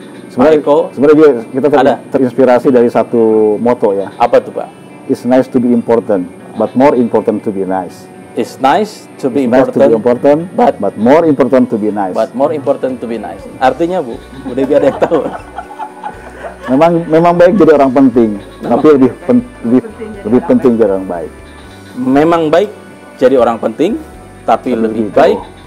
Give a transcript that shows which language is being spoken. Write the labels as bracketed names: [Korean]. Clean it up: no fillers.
[Indonesian] Sebenarnya kita terinspirasi dari satu moto ya. Apa tuh Pak? [English] It's nice to be important, but more important to be nice. It's nice to be important, but more important to be nice. But more important to be nice. [Indonesian] Artinya Bu, udah biar ada yang tahu. Memang baik jadi orang penting, tapi lebih penting jadi orang baik. Memang baik jadi orang penting, tapi lebih baik.